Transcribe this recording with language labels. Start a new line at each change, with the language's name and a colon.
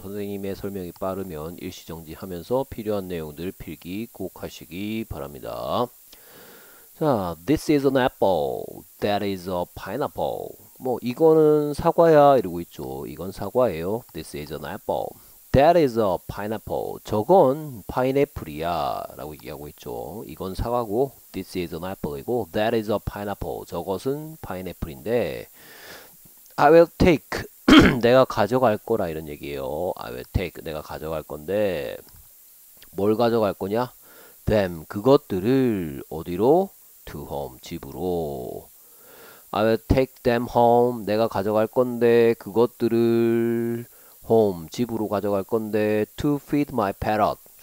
Korean: 선생님의 설명이 빠르면 일시정지하면서 필요한 내용들 필기 꼭 하시기 바랍니다.
English: 자, this is an apple. That is a pineapple.
Korean: 뭐, 이거는 사과야, 이러고 있죠. 이건 사과예요.
English: This is an apple. That is a pineapple.
Korean: 저건 파인애플이야, 라고 얘기하고 있죠. 이건 사과고,
English: this is an apple이고, that is a pineapple.
Korean: 저것은 파인애플인데,
English: I will take.
Korean: 내가 가져갈 거라, 이런 얘기예요.
English: I will take.
Korean: 내가 가져갈 건데, 뭘 가져갈 거냐?
English: them.
Korean: 그것들을 어디로?
English: To home,
Korean: 집으로.
English: I will take them home.
Korean: 내가 가져갈 건데, 그것들을
English: home,
Korean: 집으로 가져갈 건데,
English: to feed my parrot.